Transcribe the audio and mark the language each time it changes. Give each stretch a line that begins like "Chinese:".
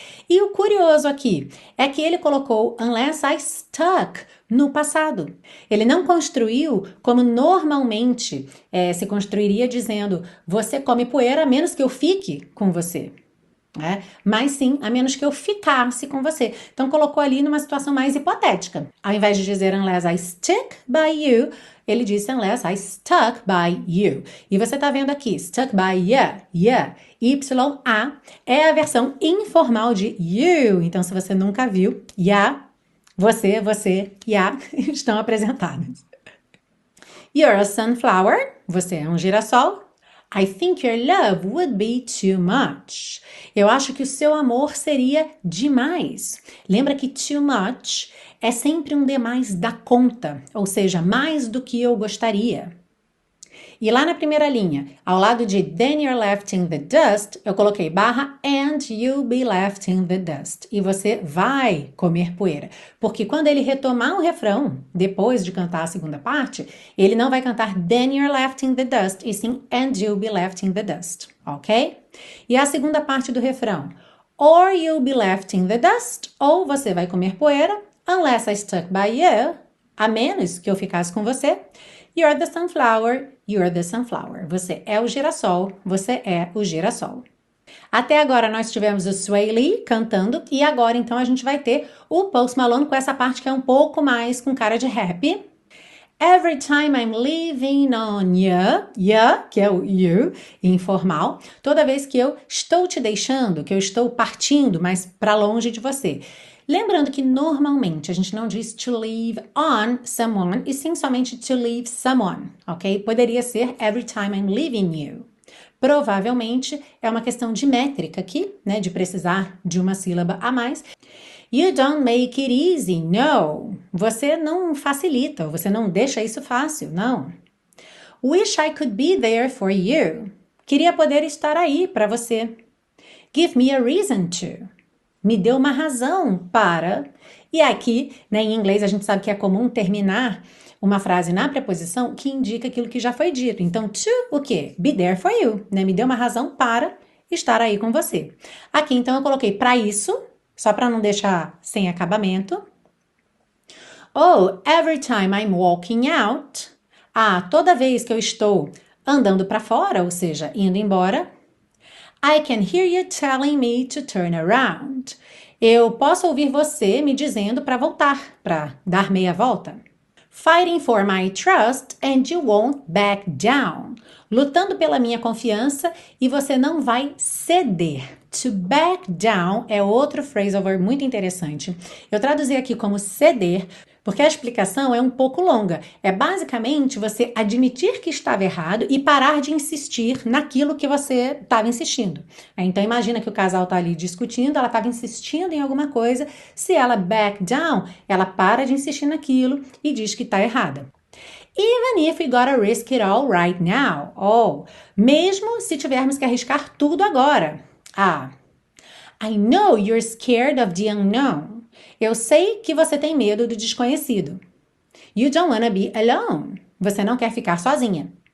Portuguese: E o curioso aqui é que ele colocou unless I stuck no passado. Ele não construiu como normalmente se construiria dizendo você come poeira a menos que eu fique com você. É, mas sim, a menos que eu ficasse com você. Então colocou ali numa situação mais hipotética. Ao invés de dizer
English: unless I stick by you,
Portuguese: ele disse unless I stuck by you. E você está vendo aqui, stuck by ya, é a versão informal de you. Então, se você nunca viu, você, ya estão apresentados.
English: You're a sunflower,
Portuguese: você é um girassol.
English: I think your love would be too much.
Portuguese: Eu acho que o seu amor seria demais. Lembra que too much é sempre um demais da conta, ou seja, mais do que eu gostaria. E lá na primeira linha, ao lado de Then you're left in the dust, eu coloquei barra and you'll be left in the dust. E você vai comer poeira. Porque quando ele retomar o refrão, depois de cantar a segunda parte, ele não vai cantar
English: Then you're left in the dust,
Portuguese: e sim and you'll be left in the dust. Ok? E a segunda parte do refrão:
English: Or you'll be left in the dust, ou você vai comer poeira, unless I stuck by you,
Portuguese: a menos que eu ficasse com você.
English: You're the sunflower, you're the sunflower.
Portuguese: Você é o girassol, você é o girassol. Até agora nós tivemos o Swae Lee cantando e agora então a gente vai ter o Post Malone com essa parte que é um pouco mais com cara de rap.
English: Every time I'm leaving on ya,
Portuguese: que é o you, informal, toda vez que eu estou te deixando, que eu estou partindo mais para longe de você. Lembrando que normalmente a gente não diz to leave on someone, e sim somente to leave someone, ok? Poderia ser
English: every time I'm leaving you.
Portuguese: Provavelmente é uma questão de métrica aqui, né? De precisar de uma sílaba a mais.
English: You don't make it easy, no.
Portuguese: Você não facilita, você não deixa isso fácil, não.
English: Wish I could be there for you.
Portuguese: Queria poder estar aí para você.
English: Give me a reason to.
Portuguese: Me deu uma razão para. E aqui, né, em inglês, a gente sabe que é comum terminar uma frase na preposição que indica aquilo que já foi dito. Então, to, o quê? Be there for you, né? Me deu uma razão para estar aí com você. Aqui, então, eu coloquei para isso, só para não deixar sem acabamento.
English: Oh, every time I'm walking out.
Portuguese: Ah, toda vez que eu estou andando para fora, ou seja, indo embora.
English: I can hear you telling me to turn around.
Portuguese: Eu posso ouvir você me dizendo para voltar, para dar meia volta.
English: Fighting for my trust and you won't back down.
Portuguese: Lutando pela minha confiança e você não vai ceder. To back down é outro phrasal verb muito interessante. Eu traduzi aqui como ceder, porque a explicação é um pouco longa. É basicamente você admitir que estava errado e parar de insistir naquilo que você estava insistindo. Então imagina que o casal está ali discutindo, ela estava insistindo em alguma coisa. Se ela back down, ela para de insistir naquilo e diz que está errada.
English: Even if we gotta risk it all right now.
Portuguese: Oh, mesmo se tivermos que arriscar tudo agora.
English: Ah, I know you're scared of the unknown.
Portuguese: Eu sei que você tem medo do desconhecido.
English: You don't wanna be alone.
Portuguese: Você não quer ficar sozinha.